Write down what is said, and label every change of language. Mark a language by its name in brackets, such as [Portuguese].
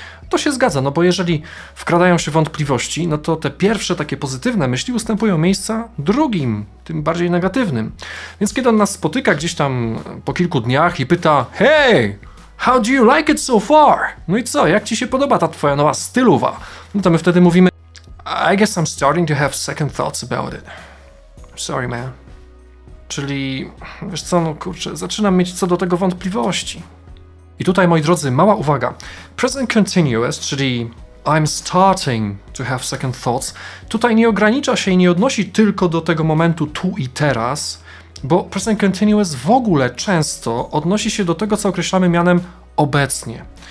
[Polish] To się zgadza, no bo jeżeli wkradają się wątpliwości, no to te pierwsze takie pozytywne myśli ustępują miejsca drugim, tym bardziej negatywnym. Więc kiedy on nas spotyka gdzieś tam po kilku dniach i pyta, [English] hey, how do you like it so far? [Polish] No i co, jak ci się podoba ta twoja nowa styluwa? No to my wtedy mówimy, [English] I guess I'm starting to have second thoughts about it. Sorry, man. [Polish] Czyli, wiesz co, no kurczę, zaczynam mieć co do tego wątpliwości. I tutaj, moi drodzy, mała uwaga. Present continuous, czyli [English] I'm starting to have second thoughts, [Polish] tutaj nie ogranicza się i nie odnosi tylko do tego momentu tu i teraz, bo present continuous w ogóle często odnosi się do tego, co określamy mianem obecnie.